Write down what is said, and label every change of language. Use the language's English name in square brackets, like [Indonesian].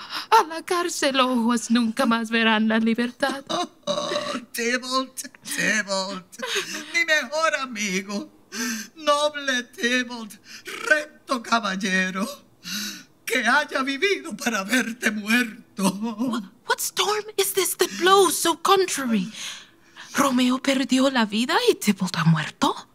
[Spanish] a la cárcel, ojos nunca más verán la libertad. Oh, Tybalt, Tybalt, mi mejor amigo, noble Tybalt, recto caballero, que haya vivido para verte muerto. [English] What storm is this that blows so contrary? [Spanish] Romeo perdió la vida y Tybalt ha muerto.